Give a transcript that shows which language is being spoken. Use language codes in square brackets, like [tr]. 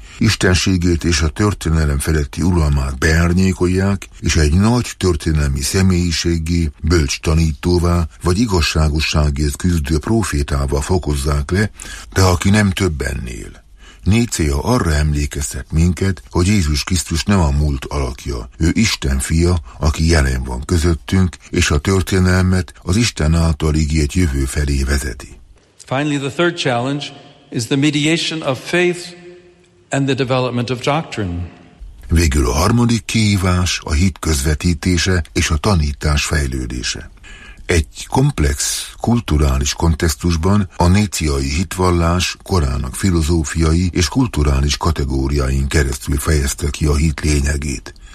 [hu] Istenségét és a történelem feletti uralmát beárnyékolják, és egy nagy történelmi személyiségé, bölcs tanítóvá, vagy igazságosságért küzdő profétává fokozzák le, de aki nem több ennél. Nécia arra emlékeztet minket, hogy Jézus Krisztus nem a múlt alakja, ő Isten fia, aki jelen van közöttünk, és a történelmet az Isten által ígért jövő felé vezeti. [en] Finally, the third challenge is the mediation of faith and the development of doctrine. [hu] Végül a harmadik kihívás a hit közvetítése és a tanítás fejlődése. Egy komplex kulturális kontextusban a néciai hitvallás korának filozófiai és kulturális kategóriáin keresztül fejezte ki a hit lényegét.